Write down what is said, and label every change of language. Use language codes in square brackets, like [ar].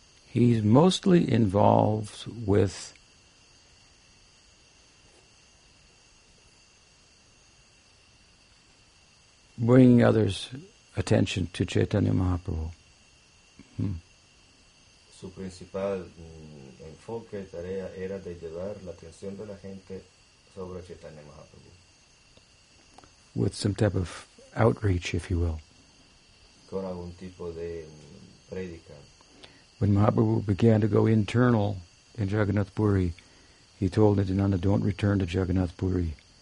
[en] He's mostly involved with bringing others' attention to Chaitanya Mahaprabhu. [es] Su principal enfoque, tarea, era de llevar la atención de la gente sobre Chaitanya Mahaprabhu. [en] With some type of outreach, if you will. [es] Con algún tipo de predica. [en] When Mahaprabhu began to go internal in Jagannath Puri, he told Nityananda, don't return to Jagannath Puri.